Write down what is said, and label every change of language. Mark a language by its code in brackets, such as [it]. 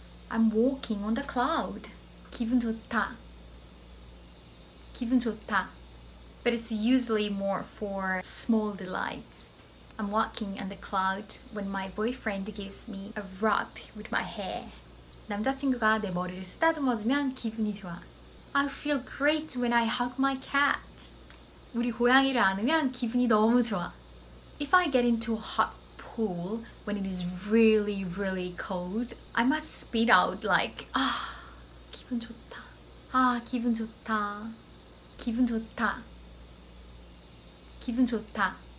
[en] I'm walking on the cloud. [ko] 기분 좋다. 기분 좋다. [en] But it's usually more for small delights. I'm walking on the cloud when my boyfriend gives me a rub with my hair. [ko] 남자친구가 내 머리를 쓰다듬어주면 기분이 좋아. [en] I feel great when I hug my cat. [ko] 우리 고양이를 안으면 기분이 너무 좋아. [en] If I get into a hot pool when it is really, really cold, I must spit out like, ah, [ko] 기분 좋다. Ah, 기분 좋다. 기분 좋다. 기분 좋다.